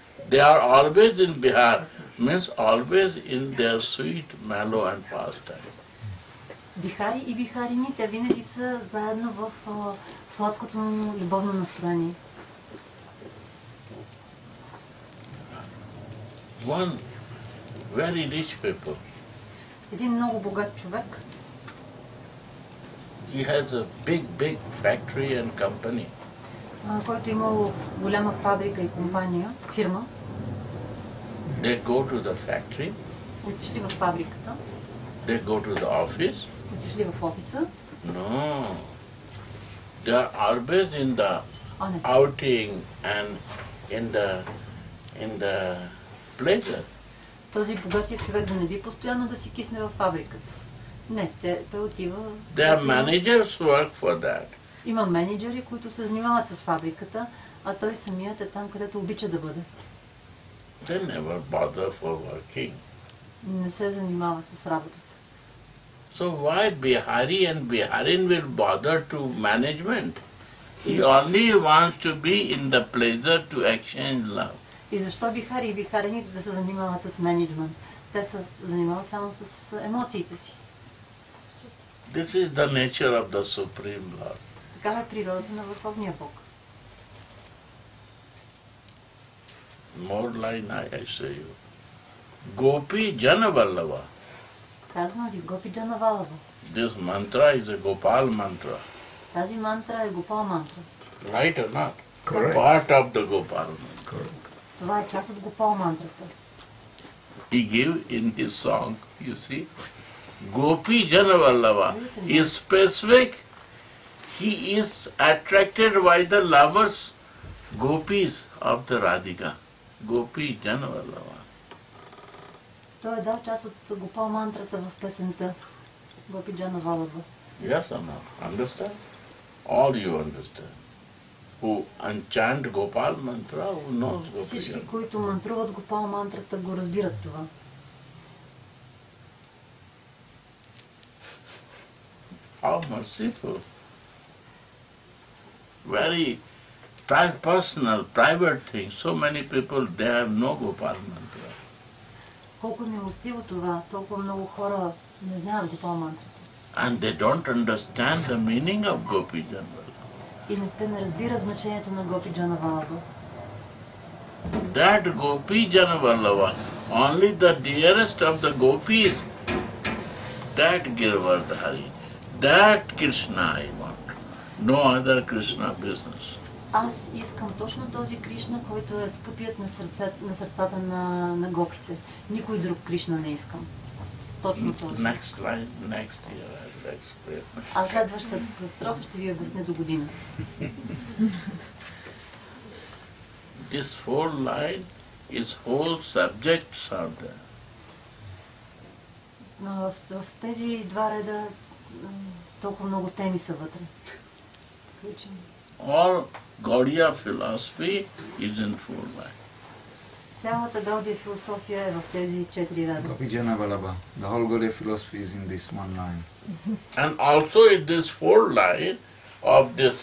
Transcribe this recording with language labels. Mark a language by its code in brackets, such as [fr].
[en] They are always in Bihar, means always in their sweet, mellow and pastime. [bg] Бихари и Бихарини, те винаги са заедно в сладкото любовно настроение. [en] One very rich people. [bg] Един много богат човек. [en] He has a big, big factory and company. [bg] Който има голяма фабрика и компания, фирма. [en] They go to the factory. [bg] Отишли в фабриката. [en] They go to the office. [bg] Отишли в офиса. [en] No. They are always in the outing and in the pleasure. [bg] Този богатия човек да не би постоянно да си кисне в фабриката. Не, той отива. [en] They are managers work for that. [bg] Има менеджери, които се занимават с фабриката, а той самият е там, където обича да бъде. [en] They never bother for working. [bg] Не се занимава с работата. [en] So why Bihari and Biharin will bother to management? He only wants to be in the pleasure to exchange love. [bg] И защо Бихари и Бихарини да се занимават с менеджмент? Те се занимават само с емоциите си. [en] This is the nature of the Supreme Lord. [bg] Такава е природата на Върховния Бог. [en] More line I say you. Gopi Janavallava. [bg] Казвам ви, Gopi Janavallava. [en] This mantra is a Gopal mantra. [bg] Тази мантра е Gopal мантра. [en] Right or not? Correct. Part of the Gopal mantra. Correct. [bg] Това е част от Gopal мантрата. [en] He give in his song, you see, Gopi Janavallava. He is specific. He is attracted by the lovers, gopis of the Radhika. Gopi Janavallava. [bg] Той е дал част от Gopal мантрата в песента Gopi Janavallava. [en] Yes or no? Understand? All you understand. Who unchant Gopal mantra, who knows Gopi Janavallava. [bg] Всички, които мантруват Gopal мантрата, го разбират това. [en] How merciful. Very personal, private thing. So many people, they have no Gopal mantra. [bg] Колко милостиво това, толкова много хора не знаят Gopal mantra. [en] And they don't understand the meaning of Gopi Janavallava. [bg] И те не разбират значението на Gopi Janavallava. [en] That Gopi Janavallava, only the dearest of the gopis, that Girvardhari, that Krishna I want. No other Krishna business. [bg] Аз искам точно този Кришна, който е скъпият на сърцата на гопите. Никой друг Кришна не искам. Точно този. [en] Next line, next year, next year. [bg] А следващата строфа ще ви обясня до година. [en] This four line is whole subject sarda. [bg] Но в тези два реда толкова много теми са вътре. [en] All Gaudiya philosophy is in four lines. [bg] Цялата Гаудия философия е в тези четири реда. [en] Gopi Janavallava. The whole Gaudiya philosophy is in this one line. And also in this four line of this